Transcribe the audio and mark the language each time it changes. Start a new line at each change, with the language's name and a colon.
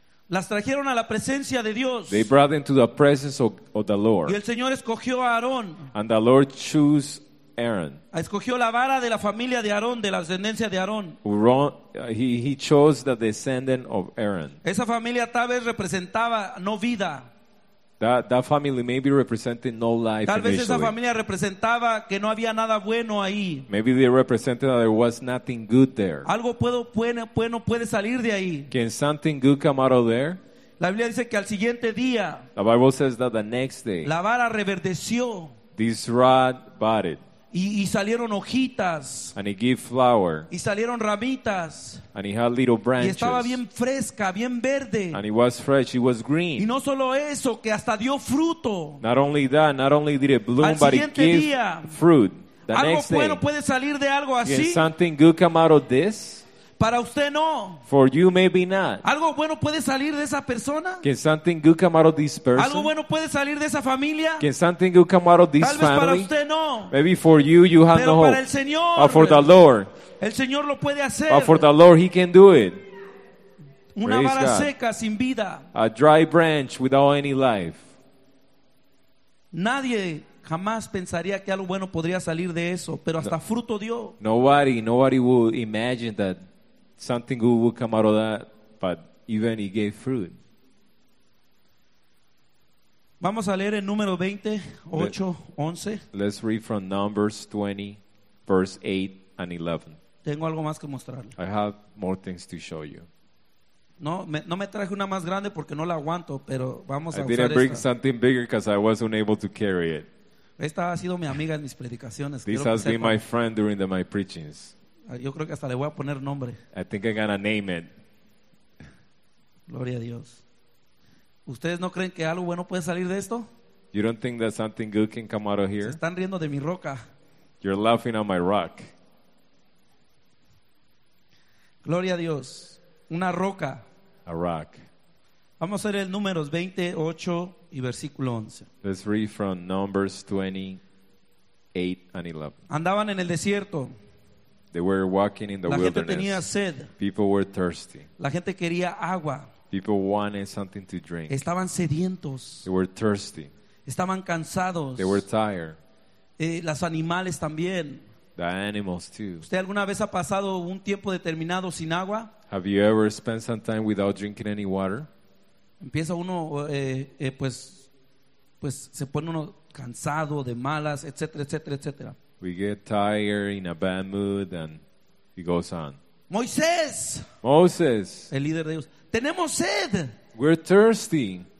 Spanish: Las trajeron a la presencia de Dios.
English: They brought them to the presence of the Lord.
Spanish: Y el Señor escogió a Aarón.
English: And the Lord chose Aaron.
Spanish: Escogió la vara de la familia de Aarón, de la descendencia de Aarón.
English: He chose the descendant of Aaron.
Spanish: Esa familia tal vez representaba no vida.
English: That family may be representing no life.
Spanish: Tal vez
English: initially.
Spanish: Esa familia representaba que no había nada bueno ahí.
English: Maybe they represented that there was nothing good there.
Spanish: Algo puede salir de ahí.
English: Can something good come out of there?
Spanish: La Biblia dice que al siguiente día.
English: The Bible says that the next day.
Spanish: La vara reverdeció.
English: This rod budded.
Spanish: Y salieron hojitas.
English: And it gave flower.
Spanish: Y salieron ramitas.
English: And it had little branches.
Spanish: Y estaba bien fresca, bien verde.
English: And it was fresh, it was green.
Spanish: Y no solo eso, que hasta dio fruto.
English: Not only that, not only did it bloom,
Spanish: al siguiente
English: but it
Spanish: día,
English: gave fruit. The next day.
Spanish: Algo bueno puede salir de algo así.
English: Can something good come out of this?
Spanish: Para usted no.
English: For you maybe not.
Spanish: Algo bueno puede salir de esa persona.
English: Can something good come out of this person?
Spanish: Algo bueno puede salir de esa familia.
English: Can something good come out of this family?
Spanish: Tal vez para usted no.
English: Maybe for you, you have
Spanish: pero
English: no hope.
Spanish: Pero para el Señor.
English: But for the Lord.
Spanish: El Señor lo puede hacer.
English: But for the Lord, he can do it.
Spanish: Una vara seca sin vida.
English: A dry branch without any life.
Spanish: Nadie jamás pensaría que algo bueno podría salir de eso, pero hasta fruto dio.
English: Nobody would imagine that something good would come out of that, but even he gave fruit.
Spanish: Vamos a leer en número 20, 8, 11.
English: Let's read from Numbers 20, verse 8 and 11.
Spanish: Tengo algo más que mostrarle.
English: I have more things to show you.
Spanish: No me traje una más grande porque no la aguanto, pero vamos a usar esta.
English: I didn't bring
Spanish: esta.
English: Something bigger because I was unable to carry it.
Spanish: Esta ha sido mi amiga en mis predicaciones.
English: This has been my friend during my preachings.
Spanish: Yo creo que hasta le voy a poner nombre.
English: I think I'm gonna name it.
Spanish: Gloria a Dios. ¿Ustedes no creen que algo bueno puede salir de esto?
English: You don't think that something good can come out of here?
Spanish: Se están riendo de mi roca.
English: You're laughing at my rock.
Spanish: Gloria a Dios. Una roca.
English: A rock.
Spanish: Vamos a leer el Números 28 y versículo 11.
English: Let's read from Numbers 28 and 11.
Spanish: Andaban en el desierto.
English: They were walking in the wilderness.
Spanish: La gente tenía sed.
English: People were thirsty.
Spanish: La gente quería agua.
English: People wanted something to drink.
Spanish: Estaban sedientos.
English: They were thirsty.
Spanish: Estaban cansados.
English: They were tired.
Spanish: Los animales también.
English: The animals too.
Spanish: ¿Usted alguna vez ha pasado un tiempo determinado sin agua?
English: Have you ever spent some time without drinking any water?
Spanish: Empieza uno, pues se pone uno cansado, de malas, etcétera, etcétera, etcétera.
English: We get tired, in a bad mood, and it goes on.
Spanish: ¡Moisés!
English: Moses.
Spanish: El líder de ellos. ¡Tenemos sed!
English: We're thirsty.